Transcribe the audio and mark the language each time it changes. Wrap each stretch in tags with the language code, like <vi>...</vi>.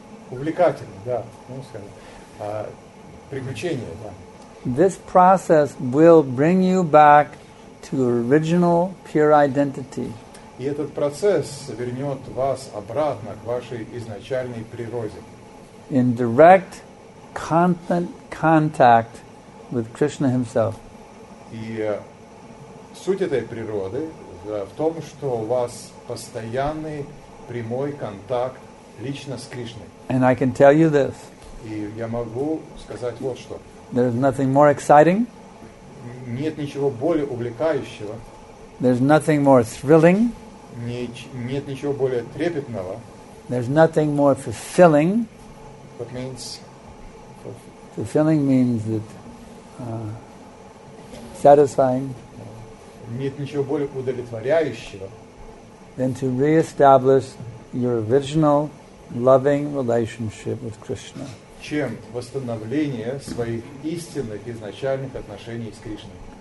<ru>Увлекательно, да, ну скажем, приключение, да.</ru> <en>This process will bring you back to original pure identity.</en> <ru>И этот процесс вернет вас обратно к вашей изначальной природе.</ru> <en>In direct, constant contact with Krishna Himself.</en> <ru>И суть этой природы в том, что у вас постоянный прямой контакт лично с Кришной.</ru> <en>And I can tell you this.</en> <ru>И я могу сказать вот что.</ru> <en>There's nothing more exciting.</en> <ru>Нет ничего более увлекающего.</ru> <en>There's nothing more thrilling.</en> <ru>Нет ничего более трепетного.</ru> <en>There's nothing more fulfilling. That means fulfilling means that satisfying.</en> <ru>Нет ничего более удовлетворяющего.</ru> <en>Than to reestablish your original loving relationship with Krishna.</en> <ru>Чем восстановление своих истинных изначальных отношений с Кришной.</ru>